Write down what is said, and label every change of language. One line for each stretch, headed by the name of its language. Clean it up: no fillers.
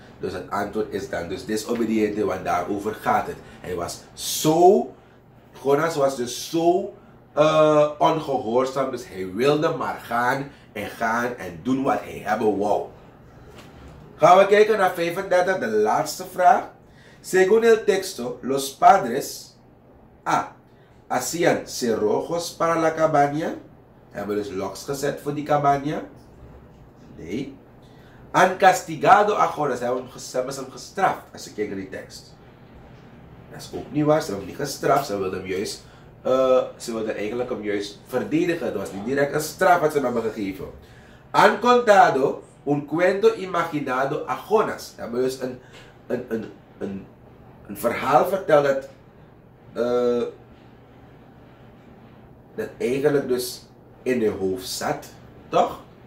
Dutch: Dus het antwoord is dan dus desobediente, want daarover gaat het. Hij was zo. Jonas was dus zo ongehoorzaam, dus hij wilde maar gaan en doen wat hij hebben wou. Gaan we kijken naar 35, de laatste vraag.
Spanish: Según el texto, los padres A. Hacían cerrojos para la cabaña.
Dutch: Hebben dus locks gezet voor die cabaña. Nee.
Spanish: Han castigado a Jonas.
Dutch: Hebben ze hem gestraft, als je kijkt naar die tekst. Dat is ook niet waar, ze hebben hem niet gestraft, ze wilden hem juist verdedigen. Het was niet direct een straf wat ze hem hebben gegeven.
Spanish: Han contado un cuento imaginado a Jonas.
Dutch: Ze hebben dus een verhaal verteld dat eigenlijk dus in hun hoofd zat, toch?